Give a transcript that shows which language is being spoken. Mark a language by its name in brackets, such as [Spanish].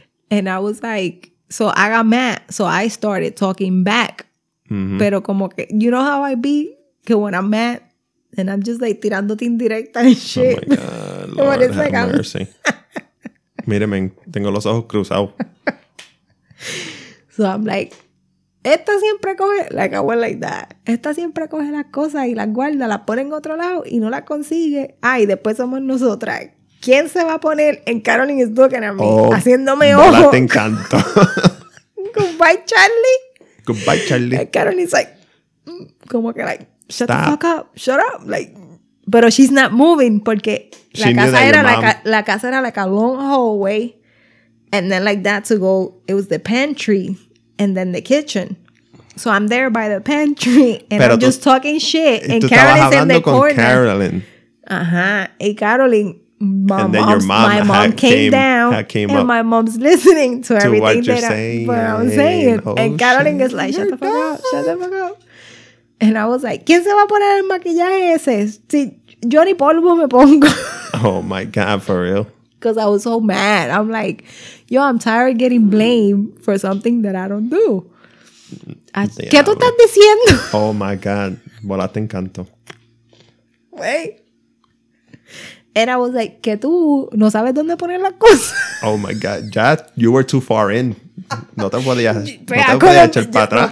[English] And I was like, so I got mad. So I started talking back. Mm-hmm. [Spanish] Pero como que, [English] you know how I be? Que when I'm mad and I'm just like [Spanish] tirando indirecta [English] and shit. Oh my God, Lord, it's like mercy. [Spanish] Míreme, tengo los ojos cruzados. So I'm like, esta siempre coge, like I went like that. Esta siempre coge las cosas y las guarda, las pone en otro lado y no las consigue. Ah, y después somos nosotras. ¿Quién se va a poner en Caroline [English] is looking at me? [Spanish] Oh, haciéndome ojo. Hola, te encanto. [English] Goodbye, Charlie. Goodbye, Charlie. And Caroline's like, [Spanish] como que [English] like, shut the fuck up, shut up. Like, pero she's not moving [Spanish] porque la casa era [English] like a long hallway. And then like that to go, it was the pantry. And then the kitchen. So I'm there by the pantry. And pero I'm just talking shit. And Carolyn's in the corner. Carolyn. Uh-huh. Hey, Carolyn. My mom came down. And my mom's listening to everything that I'm saying. Oh, and Carolyn is like, shut the fuck up. And I was like, [Spanish] ¿quién se va a poner el maquillaje ese? Si yo ni polvo me pongo. [English] Oh my God, for real. Because I was so mad. I'm like, yo, I'm tired of getting blamed for something that I don't do. [Spanish] Yeah, ¿qué tú estás diciendo? [English] Oh, my God. [Spanish] Bola, te encanto. [English] Wait. And I was like, [Spanish] ¿qué tú? ¿No sabes dónde poner las cosas? [English] Oh, my God. Ya, you were too far in. [Spanish] No te podías, echar para atrás.